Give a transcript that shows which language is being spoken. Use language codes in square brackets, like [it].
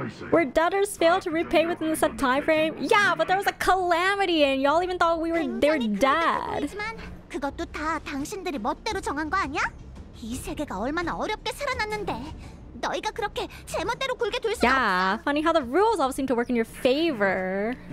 [en] Where debtors failed to repay within the set time frame? Yeah, but there was a calamity and y'all even thought they were dead. [ko] 그것도 다 당신들이 멋대로 정한 거 아니야? 이 세계가 얼마나 어렵게 살아났는데. [en] Yeah, funny how the rules all seem to work in your favor.